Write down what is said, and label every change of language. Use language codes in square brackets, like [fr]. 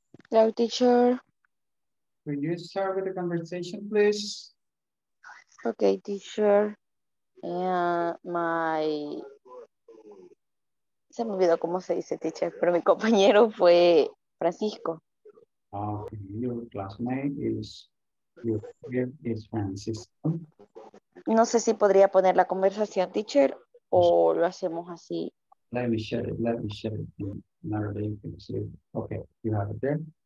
[en] Hello, teacher. Will you start with the conversation, please? Okay, teacher. My... [es] Se me olvidó cómo se dice, teacher, pero mi compañero fue Francisco. [en] Okay, your classmate is, your friend is Francisco. [es] No sé si podría poner la conversación, teacher, o lo hacemos así. [en] Let me share it. Okay, you have it there.